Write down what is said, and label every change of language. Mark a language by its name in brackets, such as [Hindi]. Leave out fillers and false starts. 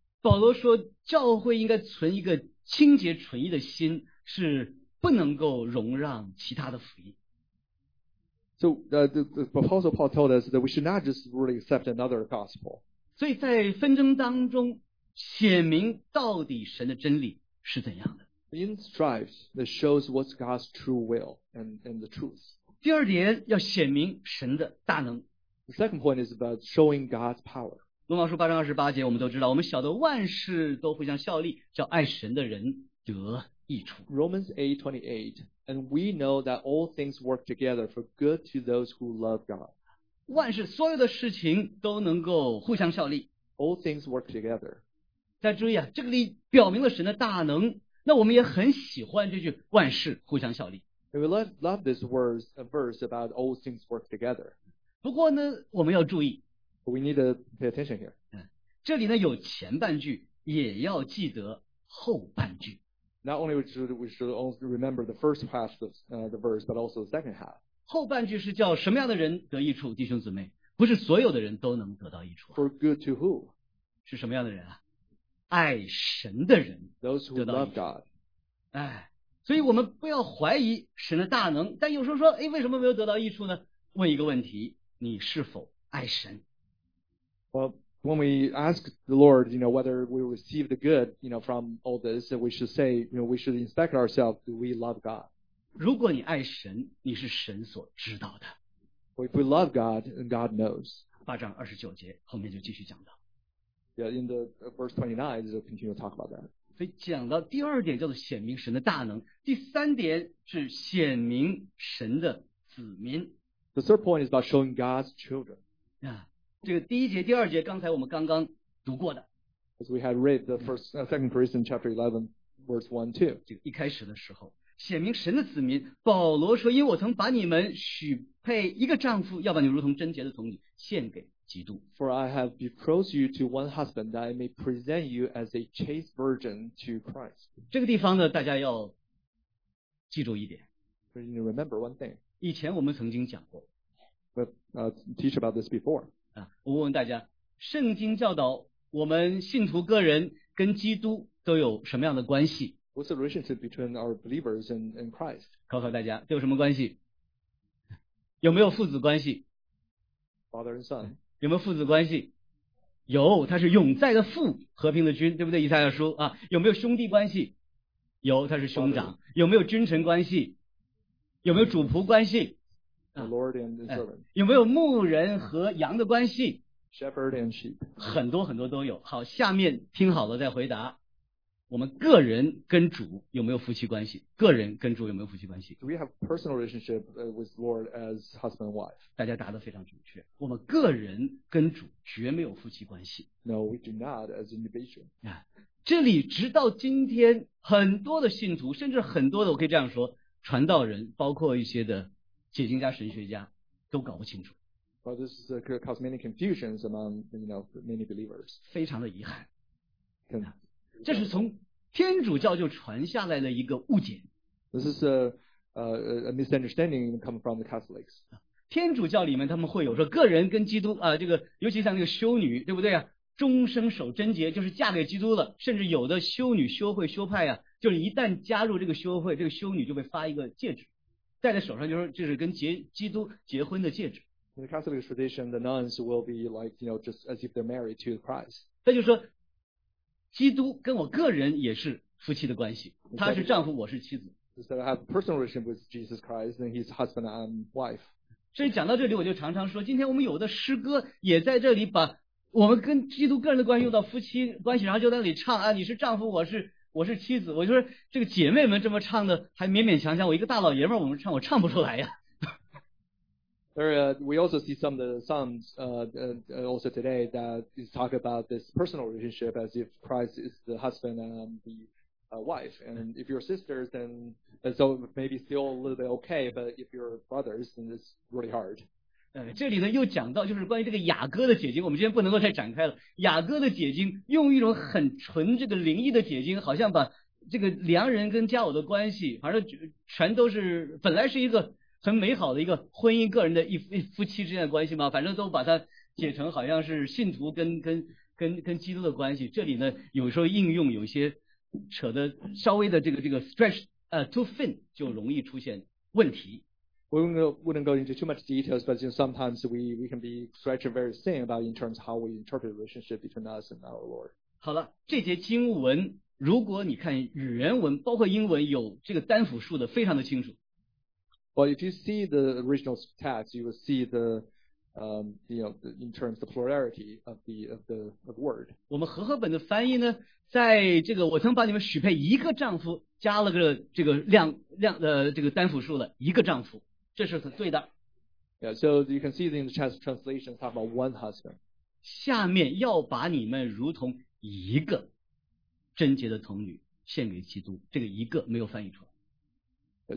[Chinese] 保罗说，教会应该存一个清洁纯义的心，是不能够容让其他的福音。 [English] So the Apostle Paul told us that we should not just really accept another gospel. [Chinese] 所以在纷争当中，显明到底神的真理是怎样的。 [English] In strife, that shows what's God's true will and the truth. [Chinese] 第二点要显明神的大能。 [English] The second point is about showing God's power. [Chinese] 罗马书八章二十八节，我们都知道，我们晓得万事都互相效力，叫爱神的人得益处。 [English] Romans 8:28, and we know that all things work together for good to those who love God. [Chinese] 万事所有的事情都能够互相效力。 [English] All things work together. [Chinese] 再注意啊，这个里表明了神的大能。那我们也很喜欢这句万事互相效力。 [English] And we love this verse about all things work together. [Chinese] 不过呢，我们要注意。 [English] We need to pay attention here. [Chinese] 这里呢有前半句，也要记得后半句。 [English] Not only we should also remember the first half of the verse, but also the second half. [Chinese] 后半句是叫什么样的人得益处，弟兄姊妹，不是所有的人都能得到益处。 [English] For good to who? [Chinese] 是什么样的人啊？爱神的人 [English] ，Those who love God. [Chinese] 哎，所以我们不要怀疑神的大能，但有时候说，哎，为什么没有得到益处呢？问一个问题，你是否爱神？ [English] Well, when we ask the Lord, you know, whether we receive the good, you know, from all this, we should say, you know, we should inspect ourselves, do we love God? [Chinese] 如果你爱神，你是神所知道的。 [English] Well, if we love God, then God knows. [Chinese] 八章二十九节，后面就继续讲到。 [English] Yeah, in the verse 29, we'll continue to talk about that. [Chinese] 所以讲到第二点叫做显明神的大能，第三点是显明神的子民。 [English] The third point is about showing God's children. [Chinese] 啊，这个第一节、第二节，刚才我们刚刚读过的。 [English] As we had read the first, Second Corinthians chapter 11, verse 1-2. [Chinese] 就一开始的时候，显明神的子民，保罗说：“因为我曾把你们许配一个丈夫，要把你如同贞洁的童女献给。” [English] For I have betrothed you to one husband that I may present you as a chaste virgin to Christ. [Chinese] 这个地方呢，大家要记住一点。 [English] So you remember one thing. [Chinese] 以前我们曾经讲过。 [English] Teach about this before. [Chinese] 啊，我问大家，圣经教导我们信徒个人跟基督都有什么样的关系？ [English] What's the relationship between our believers and Christ? [Chinese] 考考大家，都有什么关系？有没有父子关系？ [English] Father and son. [Chinese] 有没有父子关系？有，他是永在的父，和平的君，对不对？以赛亚书啊，有没有兄弟关系？有，他是兄长。 [English] Father. [Chinese] 有没有君臣关系？有没有主仆关系？ [English] The Lord and the servant. [Chinese] 有没有牧人和羊的关系？ [English] Shepherd and sheep. [Chinese] 很多很多都有。好，下面听好了再回答。我们个人跟主有没有夫妻关系？个人跟主有没有夫妻关系？ [English] Do we have personal relationship with Lord as husband and wife? [Chinese] 大家答得非常准确。我们个人跟主绝没有夫妻关系。 [English] No, we do not as individual. [Chinese] 这里直到今天，很多的信徒，甚至很多的，我可以这样说，传道人，包括一些的解经家、神学家，都搞不清楚。 [English] Well, this is caused many confusions among, you know, many believers. [Chinese] 非常的遗憾。这是从天主教就传下来的一个误解。 [English] This is a misunderstanding coming from the Catholics. [Chinese] 天主教里面他们会有说个人跟基督啊，这个尤其像那个修女，对不对啊？终生守贞洁，就是嫁给基督了。甚至有的修女修会修派啊，就是一旦加入这个修会，这个修女就被发一个戒指，戴在手上，就是这是跟基督结婚的戒指。 [English] In the Catholic tradition, the nuns will be like, you know, just as if they're married to Christ. [Chinese] 他就说。基督跟我个人也是夫妻的关系，他是丈夫，我是妻子。 [English] So I have personal relationship with Jesus Christ, and he's husband and wife. [Chinese] 所以讲到这里，我就常常说，今天我们有的诗歌也在这里把我们跟基督个人的关系用到夫妻关系，然后就在那里唱啊，你是丈夫，我是妻子。我就说这个姐妹们这么唱的还勉勉强强，我一个大老爷们儿我们唱，我唱不出来呀。 [English] We also see some of the Psalms also today that is talk about this personal relationship as if Christ is the husband and the wife. And if you're sisters, then so maybe still a little bit okay, but if you're brothers, then it's really hard. [Chinese] 这里呢又讲到就是关于这个雅歌的解经，我们今天不能够再展开了。雅歌的解经用一种很纯这个灵异的解经，好像把这个良人跟佳偶的关系，反正全都是本来是一个很美好的一个婚姻个人的一夫妻之间的关系嘛，反正都把它解成好像是信徒跟基督的关系。这里呢有时候应用有些扯的稍微的这个 [English] stretch too thin [Chinese] 就容易出现问题。 [English] We wouldn't go into too much details, but you know, sometimes we can be stretched very thin about in terms of how we interpret the relationship between us and our Lord. [Chinese] 好了，这节经文如果你看语言文，包括英文有这个单复数的，非常的清楚。 [English] Well, if you see the original text, you will see the in terms of the plurality of the word. [Chinese] 我们和合本的翻译呢，在这个我曾把你们许配一个丈夫，加了个这个量单复数的一个丈夫。这是很对的。 [English] Yeah, so you can see in the translation talk about one husband. [Chinese] 下面要把你们如同一个贞洁的童女献给基督，这个一个没有翻译出来。